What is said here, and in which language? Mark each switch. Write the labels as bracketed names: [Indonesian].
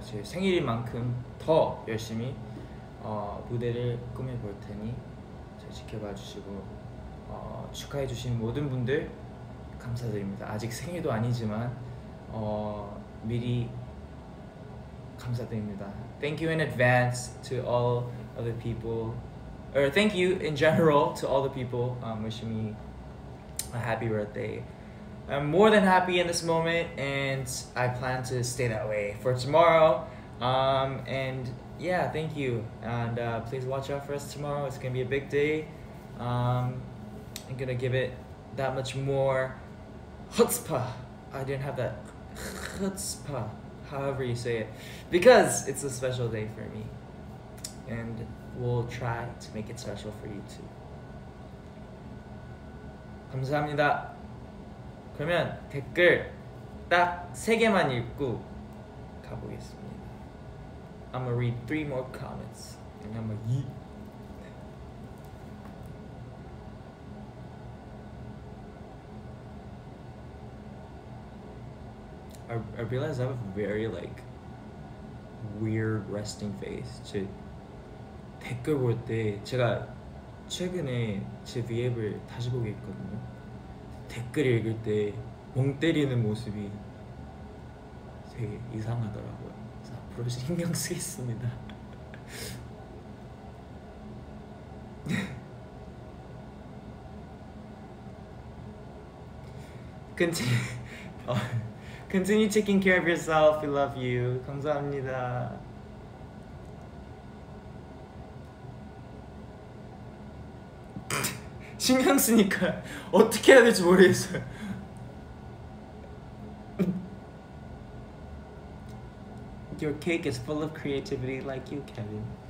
[Korean] 제 생일인 만큼 더 열심히 무대를 꾸며볼 테니 잘 지켜봐 주시고 축하해 주신 모든 분들 감사드립니다. 아직 생일도 아니지만 미리 감사드립니다. [English] Thank you in advance to all of the people, or thank you in general to all the people wishing me a happy birthday. I'm more than happy in this moment, and I plan to stay that way for tomorrow. And yeah, thank you. And please watch out for us tomorrow. It's gonna be a big day. I'm gonna give it that much more chutzpah. I didn't have that chutzpah, however you say it, because it's a special day for me. And we'll try to make it special for you too. [Korean] 감사합니다. 그러면 댓글 딱 세 개만 읽고 가보겠습니다. [English] I'm gonna read 3 more comments and I'm gonna yeet. [Korean] 네. [English] I realize I have a very like weird resting face. [Korean] 제 댓글 볼 때 제가 최근에 제 VLIVE 다시 보게 했거든요. 댓글 읽을 때 멍 때리는 모습이 되게 이상하더라고요. 그래서 앞으로 신경 쓰겠습니다. [English] continue taking care of yourself. We love you. [Korean] 감사합니다. 신경 쓰니까 어떻게 해야 될지 모르겠어요. [English] 'Your cake is full of creativity like you, Kevin.